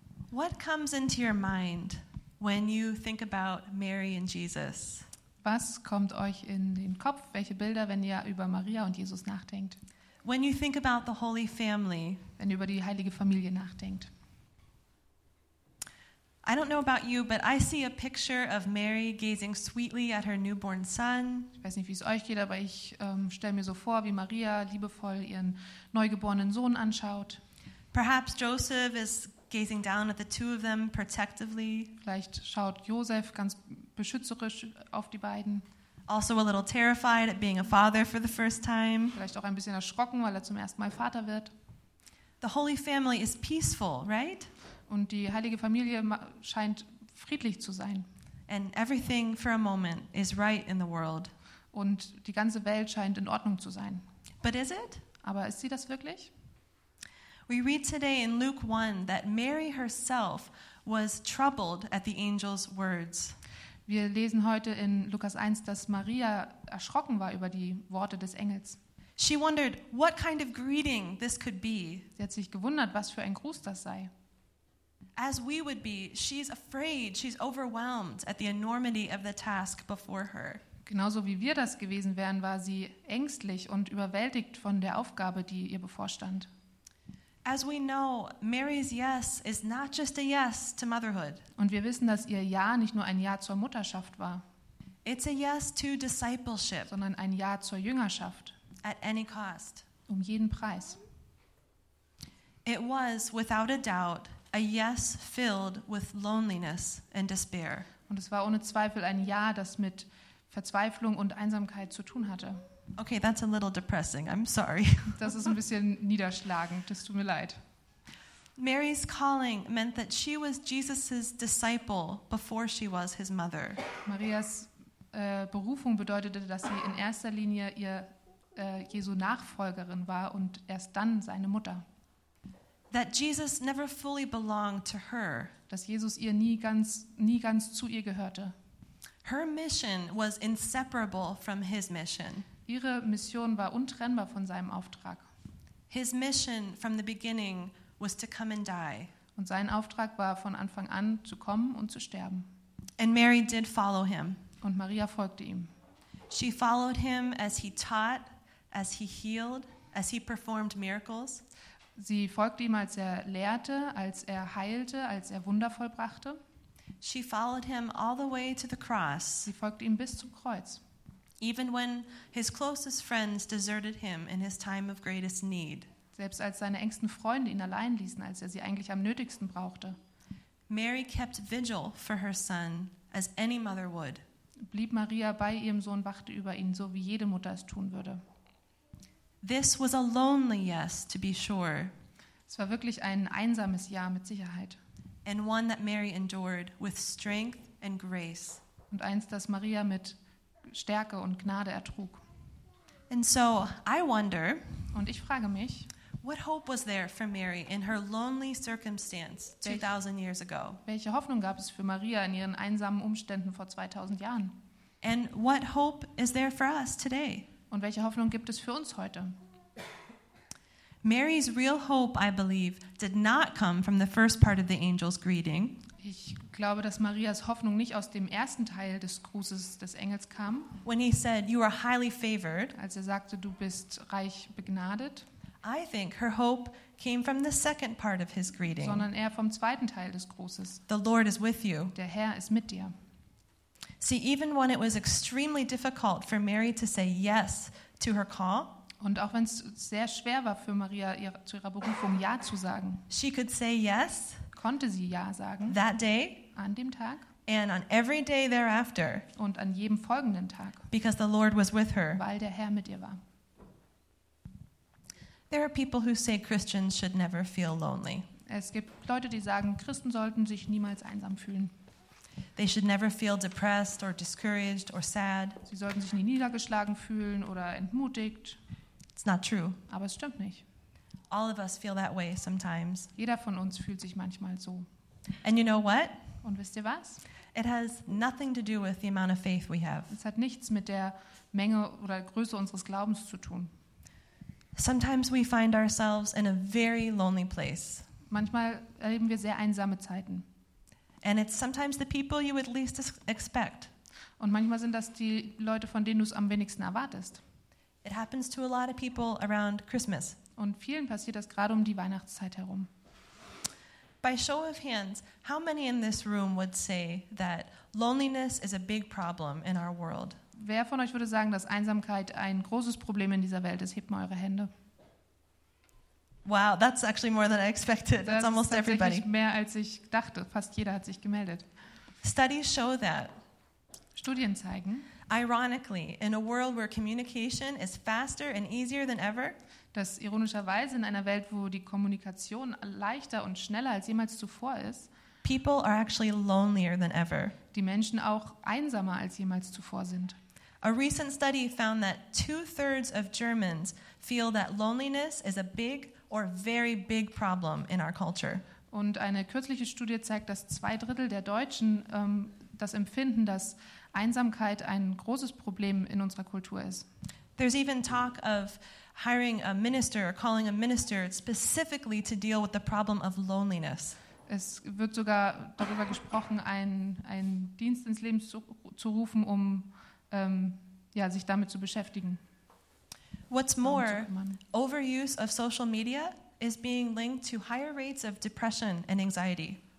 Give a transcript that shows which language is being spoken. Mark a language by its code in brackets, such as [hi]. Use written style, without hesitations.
[en] What comes into your mind when you think about Mary and Jesus? [de] Was kommt euch in den Kopf, welche Bilder, wenn ihr über Maria und Jesus nachdenkt? [en] When you think about the Holy Family, [de] wenn ihr über die heilige Familie nachdenkt. [en] I don't know about you, but I see a picture of Mary gazing sweetly at her newborn son. [de] Ich weiß nicht, wie es euch geht, aber ich stelle mir so vor, wie Maria liebevoll ihren neugeborenen Sohn anschaut. [en] Perhaps Joseph is gazing down at the two of them protectively. [de] Vielleicht schaut Josef ganz beschützerisch auf die beiden. [en] Also a little terrified at being a father for the first time. [de] Vielleicht auch ein bisschen erschrocken, weil er zum ersten Mal Vater wird. [en] The Holy Family is peaceful, right? [de] Und die heilige Familie scheint friedlich zu sein. [en] And everything for a moment is right in the world. [de] Und die ganze Welt scheint in Ordnung zu sein. [en] But is it? [de] Aber ist sie das wirklich? [en] We read today in Luke 1 that Mary herself was troubled at the angel's words. [de] Wir lesen heute in Lukas 1, dass Maria erschrocken war über die Worte des Engels. [en] She wondered what kind of greeting this could be. [de] Sie hat sich gewundert, was für ein Gruß das sei. [en] As we would be, she's afraid, she's overwhelmed at the enormity of the task before her. [de] Genauso wie wir das gewesen wären, war sie ängstlich und überwältigt von der Aufgabe, die ihr bevorstand. [en] As we know, Mary's yes is not just a yes to motherhood. [de] Und wir wissen, dass ihr Ja nicht nur ein Ja zur Mutterschaft war. [en] It's a yes to discipleship. [de] Sondern ein Ja zur Jüngerschaft. [en] At any cost. [de] Um jeden Preis. [en] It was without a doubt a yes filled with loneliness and despair. [de] Und es war ohne Zweifel ein Ja, das mit Verzweiflung und Einsamkeit zu tun hatte. [en] Okay, that's a little depressing. I'm sorry. [de] Das ist ein bisschen niederschlagend. Das tut mir leid. [en] Mary's calling meant that she was Jesus's disciple before she was his mother. [de] Marias Berufung bedeutete, dass sie in erster Linie ihr Jesu Nachfolgerin war und erst dann seine Mutter. [en] That Jesus never fully belonged to her. [de] Dass Jesus ihr nie ganz zu ihr gehörte. [en] Her mission was inseparable from his mission. [de] Ihre Mission war untrennbar von seinem Auftrag. [en] His mission from the beginning was to come and die. [de] Und sein Auftrag war von Anfang an zu kommen und zu sterben. [en] And Mary did follow him. [de] Und Maria folgte ihm. [en] She followed him as he taught, as he healed, as he performed miracles. [de] Sie folgte ihm, als er lehrte, als er heilte, als er Wunder vollbrachte. [en] She followed him all the way to the cross. [de] Sie folgte ihm bis zum Kreuz. [en] Even when his closest friends deserted him in his time of greatest need. [de] Selbst als seine engsten Freunde ihn allein ließen, als er sie eigentlich am nötigsten brauchte. [en] Mary kept vigil for her son, as any mother would. [de] Blieb Maria bei ihrem Sohn, wachte über ihn, so wie jede Mutter es tun würde. [en] This was a lonely yes, to be sure. [de] Es war wirklich ein einsames Ja, mit Sicherheit. [en] and one that Mary endured with strength and grace. [de] Und eins, das Maria mit Stärke und Gnade ertrug. [en] And so I wonder, [de] und ich frage mich, [en] what hope was there for Mary in her lonely circumstance 2000 years ago? [de] Welche Hoffnung gab es für Maria in ihren einsamen Umständen vor 2000 Jahren? [en] And what hope is there for us today? [de] Und welche Hoffnung gibt es für uns heute? [en] Mary's real hope, I believe, did not come from the first part of the angel's greeting. [de] Ich glaube, dass Marias Hoffnung nicht aus dem ersten Teil des Grußes des Engels kam. [en] When he said, "You are highly favored," [de] als er sagte, du bist reich begnadet. [en] I think her hope came from the second part of his greeting. [de] Sondern eher vom zweiten Teil des Grußes. [en] The Lord is with you. [de] Der Herr ist mit dir. [en] See, even when it was extremely difficult for Mary to say yes to her call, [de] und auch wenn es sehr schwer war für Maria zu ihrer Berufung ja zu sagen, [en] she could say yes. [de] Konnte sie ja sagen. [en] That day. [de] An dem Tag. [en] And on every day thereafter. [de] Und an jedem folgenden Tag. [en] Because the Lord was with her. [de] Weil der Herr mit ihr war. [en] There are people who say Christians should never feel lonely. [de] Es gibt Leute, die sagen, Christen sollten sich niemals einsam fühlen. [en] They should never feel depressed or discouraged or sad. [de] Sie sollten sich nie niedergeschlagen fühlen oder entmutigt. [en] It's not true. [de] Aber es stimmt nicht. [en] All of us feel that way sometimes. [de] Jeder von uns fühlt sich manchmal so. [en] And you know what? [de] Und wisst ihr was? [en] It has nothing to do with the amount of faith we have. [de] Es hat nichts mit der Menge oder Größe unseres Glaubens zu tun. [en] Sometimes we find ourselves in a very lonely place. [de] Manchmal erleben wir sehr einsame Zeiten. [en] And it's sometimes the people you would least expect. [de] Und manchmal sind das die Leute, von denen du es am wenigsten erwartest. [en] It happens to a lot of people around Christmas. [de] Und vielen passiert das gerade um die Weihnachtszeit herum. [en] By show of hands, how many in this room would say that loneliness is a big problem in our world? [de] Wer von euch würde sagen, dass Einsamkeit ein großes Problem in dieser Welt ist? Hebt mal eure Hände. [en] Wow, that's actually more than I expected. That's almost everybody. [de] Das ist mehr als ich dachte. Fast jeder hat sich gemeldet. [en] Studies show that. [de] Studien zeigen. [en] Ironically, in a world where communication is faster and easier than ever, [de] dass ironischerweise in einer Welt, wo die Kommunikation leichter und schneller als jemals zuvor ist, [en] people are actually lonelier than ever. [de] Die Menschen auch einsamer als jemals zuvor sind. [en] A recent study found that 2/3 of Germans feel that loneliness is a big or very big problem in our culture. [de] Und eine kürzliche Studie zeigt, dass 2/3 der Deutschen das empfinden, dass Einsamkeit ein großes Problem in unserer Kultur ist. [en] There's even talk of hiring a minister or calling a minister specifically to deal with the problem of loneliness. [de] Es wird sogar darüber gesprochen, einen Dienst ins Leben zu rufen, um sich damit zu beschäftigen. [en] What's more, overuse of social media is being linked to higher rates of depression and anxiety.